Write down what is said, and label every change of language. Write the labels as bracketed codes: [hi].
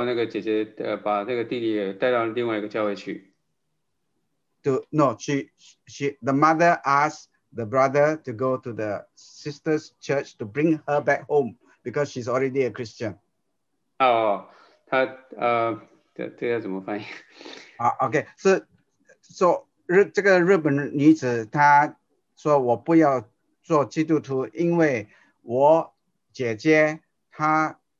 [zh] 妈妈就叫那个姐姐把那个弟弟带到另外一个教会去。 [en] The mother asked the brother to go to the sister's church to bring her back home because she's already a Christian. [zh] 哦，他这要怎么翻译？啊，OK，是说。这个日本女子她说我不要做基督徒，因为我姐姐她